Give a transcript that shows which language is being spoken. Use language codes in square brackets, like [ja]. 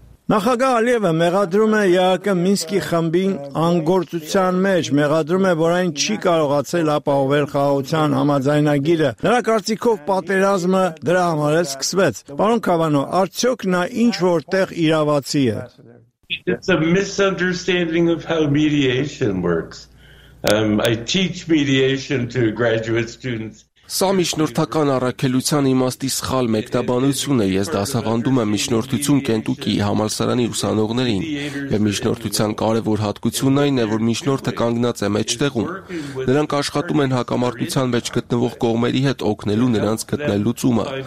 [hy] Նախագահ Ալիևը մեղադրում է ԵԱԿ Մինսկի խմբին անգործության մեջ, մեղադրում է, որ այն չի կարողացել ապահովել խաղաղության համաձայնագիրը։ Նրա կարծիքով պատերազմը դրա համար է սկսվեց։ Պարոն Քավանո, արդյոք նա ինչ-որ տեղ իրավացի է։ [en] It's a misunderstanding of how mediation works. I teach mediation to graduate students. [hy] Սա միջնորդական առաքելության իմաստի սխալ մեկտաբանություն է, ես դասավանդում եմ միջնորդություն Կենտուկիի համալսարանի ուսանողներին, և միջնորդության կարևոր հատկությունն այն է, որ միջնորդը կանգնած է մեջտեղում, նրանք աշխատում են հակամարտության մեջ գտնվող կողմերի հետ օգնելու նրանց գտնել լուծումը,